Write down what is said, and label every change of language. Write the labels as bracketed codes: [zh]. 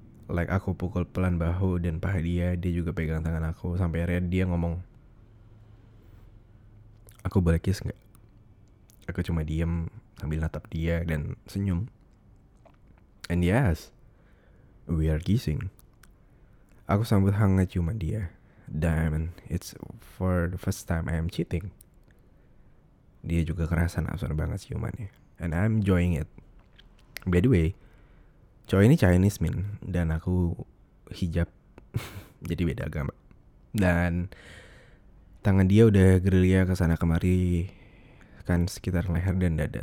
[id] Like aku pukul pelan bahu dan paha dia, dia juga pegang tangan aku. Sampai akhirnya dia ngomong, aku boleh kiss gak? Aku cuma diem sambil natap dia dan senyum. [en] And yes, we are kissing. [id] Aku sambut hangat cuma dia. [en] Damn, it's for the first time I am cheating. [id] Dia juga kerasa nafsuan banget ciumannya. [en] And I'm enjoying it. By the way, [id] cowok ini Chinese, Min, dan aku hijab, jadi beda agama. Dan tangan dia udah gerilya kesana kemari, kan sekitar leher dan dada.